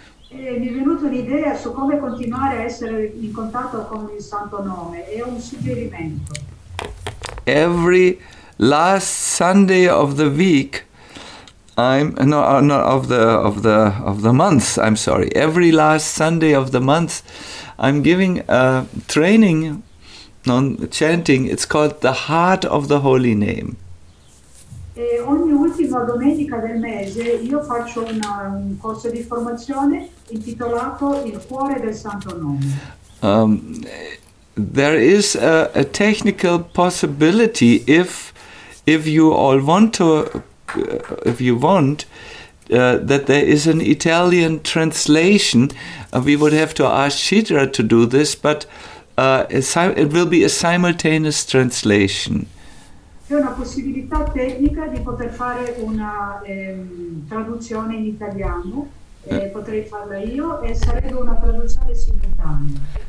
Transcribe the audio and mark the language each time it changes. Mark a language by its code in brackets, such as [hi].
[it] Mi è venuta un'idea su come continuare a essere in contatto con il santo nome. È un suggerimento. [en] Every last Sunday of the week, every last Sunday of the month, I'm giving a training. Chanting, it's called the heart of the holy name. [it] E ogni ultima domenica del mese io faccio un corso di formazione intitolato Il cuore del santo nome. [en] There is a technical possibility if you want that there is an Italian translation. We would have to ask Chitra to do this, but it will be a simultaneous translation. [it] C'è una possibilità tecnica di poter fare una traduzione in italiano. Potrei farla io e sarebbe una traduzione simultanea.